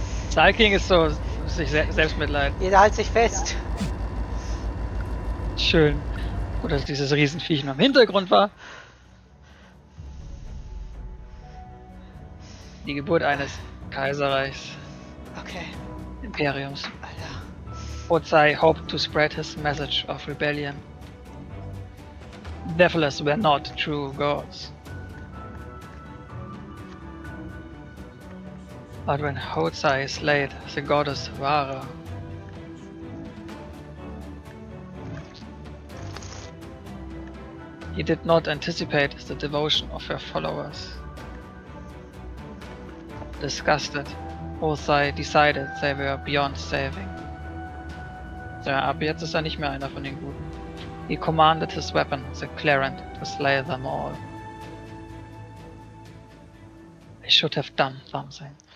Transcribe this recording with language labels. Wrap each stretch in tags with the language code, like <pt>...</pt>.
<de>Stalking ist so sich selbstmitleid. Jeder hält sich fest. Schön. Gut, dass dieses Riesenviech noch im Hintergrund war. Die Geburt eines Kaiserreichs. Okay. Imperiums. Alter.</de> <en>Ozai hoped to spread his message of rebellion. Devils were not true gods. But when Hozai slayed the goddess Vara, he did not anticipate the devotion of her followers. Disgusted, Hozai decided they were beyond saving.</en> <de>So, ab jetzt ist er nicht mehr einer von den Guten.</de> <en>He commanded his weapon, the Clarent, to slay them all. I should have done something.</en>